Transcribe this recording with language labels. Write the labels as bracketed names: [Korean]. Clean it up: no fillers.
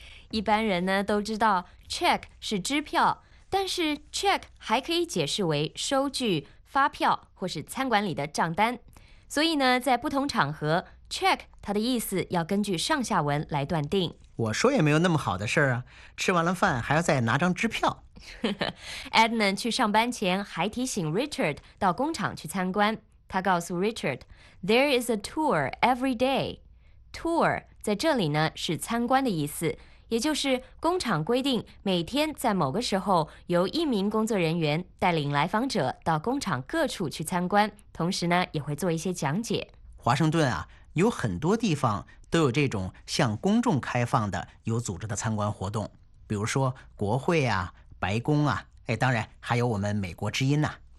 [Chinese] 一般人呢都知道 check 是支票，但是 check 还可以解释为收据、发票或是餐馆里的账单。所以呢，在不同场合 check 它的意思要根据上下文来断定。我说也没有那么好的事啊，吃完了饭还要再拿张支票。 Adnan 去上班前还提醒 Richard 到工厂去参观。他告诉 Richard, [English] There is a tour every day. [Chinese] Tour 在这里呢是参观的意思，也就是工厂规定每天在某个时候由一名工作人员带领来访者到工厂各处去参观，同时呢也会做一些讲解。华盛顿啊，有很多地方都有这种向公众开放的有组织的参观活动，比如说国会啊、白宫啊，哎，当然还有我们美国之音呐。